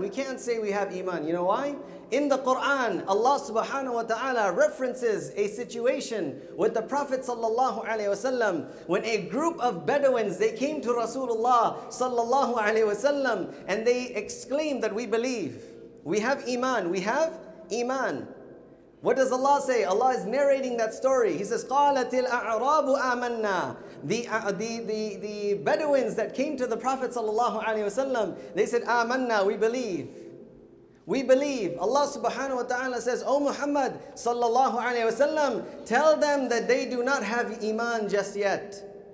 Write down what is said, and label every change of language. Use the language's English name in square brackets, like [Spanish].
[English] We can't say we have iman. You know why? In the Quran, Allah subhanahu wa ta'ala references a situation with the Prophet sallallahu alayhi wasallam, when a group of Bedouins, they came to Rasulullah sallallahu alayhi wasallam, and they exclaimed that we believe. We have iman. We have iman. What does Allah say? Allah is narrating that story. He says, [Arabic] قَالَتِ الْأَعْرَابُ آمَنَّا. [English] The Bedouins that came to the Prophet ﷺ, they said, آمَنَّا, we believe. We believe. Allah subhanahu wa ta'ala says, O Muhammad ﷺ, tell them that they do not have iman just yet.